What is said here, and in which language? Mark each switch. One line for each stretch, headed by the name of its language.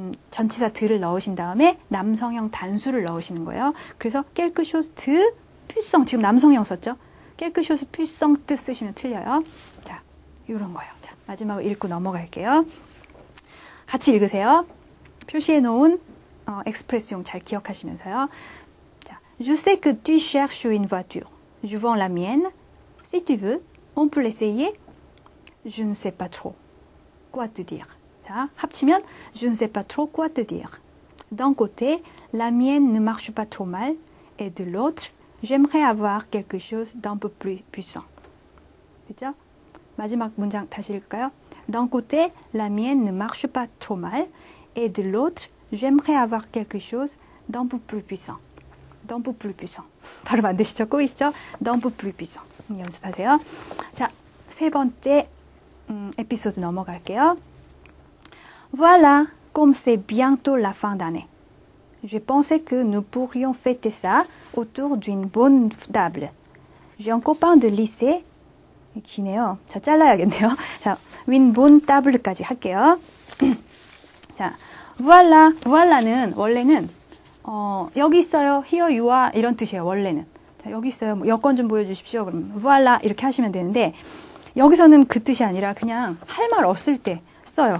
Korean: 전치사 드를 넣으신 다음에 남성형 단수를 넣으시는 거예요. 그래서 깰크쇼스트 퓨성 지금 남성형 썼죠? 깰크쇼스트 퓨성트 쓰시면 틀려요. 자, 이런 거예요. 자, 마지막으로 읽고 넘어갈게요. 같이 읽으세요. 표시해 놓은 엑스프레스용 잘 기억하시면서요.
French: 자, Je sais que tu cherches une voiture. Je vends la mienne. Si tu veux, on peut l'essayer. Je ne sais pas trop quoi te dire.
Korean: 자, 합치면
French: Je ne sais pas trop quoi te dire. D'un côté, la mienne ne marche pas trop mal et de l'autre, j'aimerais avoir quelque chose d'un peu plus puissant.
Korean: 됐죠? 마지막 문장 다시 읽을까요?
French: D'un côté, la mienne ne marche pas trop mal et de l'autre, j'aimerais avoir quelque chose d'un peu plus puissant. D'un peu plus puissant.
Korean: 발음 안 되시죠? 꼬이시죠?
French: D'un peu plus puissant.
Korean: 연습하세요. 자, 세 번째 에피소드 넘어갈게요.
French: Voilà, comme c'est bientôt la fin d'année. Je pensais que nous pourrions fêter ça autour d'une bonne table. J'ai un copain de lycée.
Korean: 기네요. 자, 잘라야겠네요. 자,
French: une bonne table
Korean: 까지 할게요. 자, voilà, voilà는 원래는 여기 있어요.
English: Here you are.
Korean: 이런 뜻이에요, 원래는. 자, 여기 있어요. 뭐 여권 좀 보여주십시오. 그러면 voila 이렇게 하시면 되는데, 여기서는 그 뜻이 아니라 그냥 할말 없을 때 써요.